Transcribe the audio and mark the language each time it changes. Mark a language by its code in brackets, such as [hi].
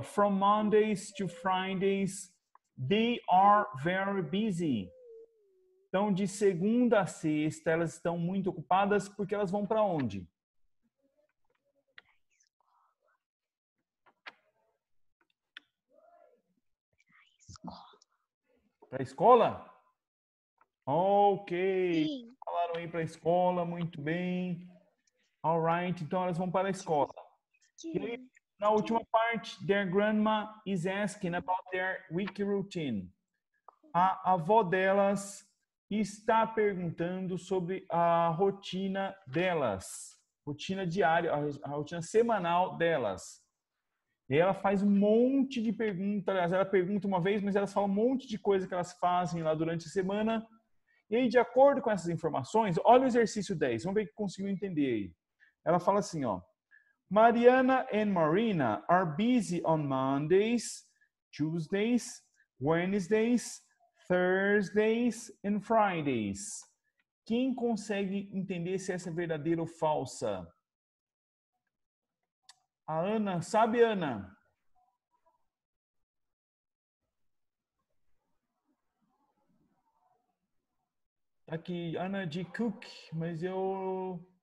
[en] From Mondays to Fridays, they are very busy. [pt] Então, de segunda a sexta, elas estão muito ocupadas, porque elas vão para onde? Para a escola. Para a escola? Ok. Sim. Falaram aí para a escola, muito bem. [en] All right, [pt] então elas vão para a escola. Que... Na última parte, [en] their grandma is asking about their week routine. [pt] A avó delas está perguntando sobre a rotina delas. Rotina diária, a rotina semanal delas. E ela faz um monte de perguntas, aliás, ela pergunta uma vez, mas elas falam um monte de coisa que elas fazem lá durante a semana. E aí, de acordo com essas informações, olha o exercício 10, vamos ver o que conseguiu entender aí. Ela fala assim, ó. [en] Mariana and Marina are busy on Mondays, Tuesdays, Wednesdays, Thursdays and Fridays. [pt] Quem consegue entender se essa é verdadeira ou falsa? A Ana, sabe, Ana? Tá aqui, Ana de Cook, mas eu...